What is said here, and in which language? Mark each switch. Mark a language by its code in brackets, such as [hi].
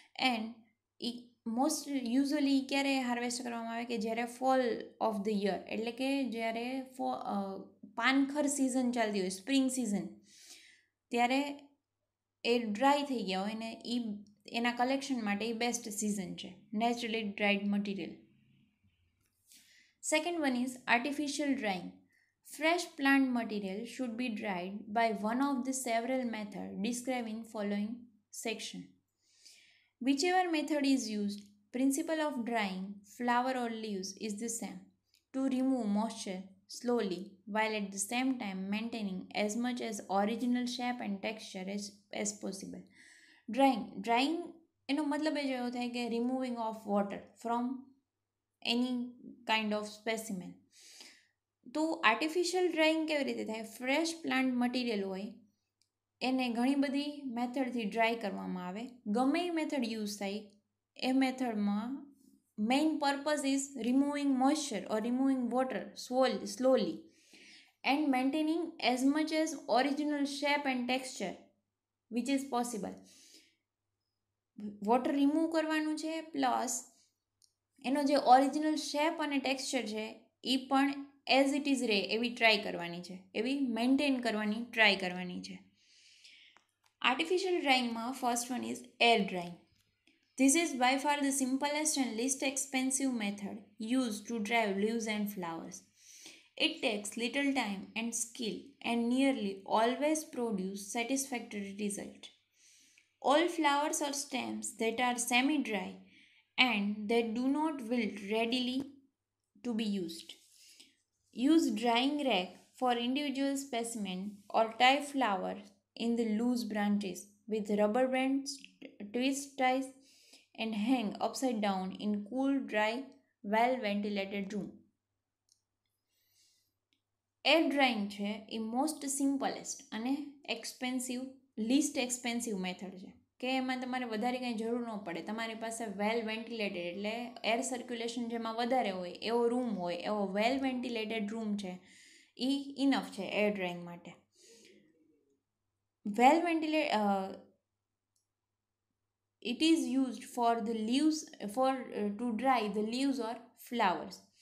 [en] and ઈ most usually [gu] ક્યારે harvest કરવામાં આવે કે જ્યારે [en] fall of the year, [gu] એટલે કે જ્યારે પાનખર સિઝન ચાલતી હોય, સ્પ્રિંગ સિઝન, ત્યારે એ ડ્રાય થઈ ગયા હોય અને એ એના કલેક્શન માટે એ બેસ્ટ સિઝન છે [en] Naturally dried material. Second one is artificial drying. Fresh plant material should be dried by one of the several method describe in following section. Whichever method is used, principle of drying flower or leaves is the same, to remove moisture slowly while at the same time maintaining as much as original shape and texture as possible. Drying [gu] એનો મતલબ એ જ એવો થાય કે [en] removing of water from any kind of specimen. [gu] તો artificial drying કેવી રીતે થાય? [en] Fresh plant material [gu] હોય એને ઘણી બધી મેથડથી ડ્રાય કરવામાં આવે, ગમે એ મેથડ યુઝ થાય એ મેથડમાં [en] Main purpose is removing moisture or removing water slowly and maintaining as much as original shape and texture which is possible. [gu] Water remove કરવાનું છે પ્લસ એનો જે ઓરિજિનલ શેપ અને ટેક્સચર છે એ પણ [en] as it is [gu] રહે એવી ટ્રાય કરવાની છે, એવી મેન્ટેન કરવાની ટ્રાય કરવાની છે. [en] Artificial ડ્રાઇંગમાં first one is air drying. This is by far the simplest and least expensive method use to dry leaves and flowers. It takes little time and skill and nearly always produce satisfactory result. All flowers or stems that are semi dry and that do not wilt readily to be used. Use drying rack for individual specimen or tie flower in the loose branches with rubber bands, twist ties and hang upside down in cool, dry, well-ventilated room. [gu] Air drying છે એ most simplest અને expensive list expensive method છે કે એમાં તમારે વધારે કંઈ જરૂર ન પડે. તમારી પાસે વેલ વેન્ટિલેટેડ એટલે એર સર્ક્યુલેશન જેમાં વધારે હોય એવો રૂમ હોય, એવો વેલ વેન્ટિલેટેડ રૂમ છે એ ઇનફ છે એર ડ્રાઇંગ માટે. [en] Well ventilated, it is used for the leaves, to dry the leaves or flowers.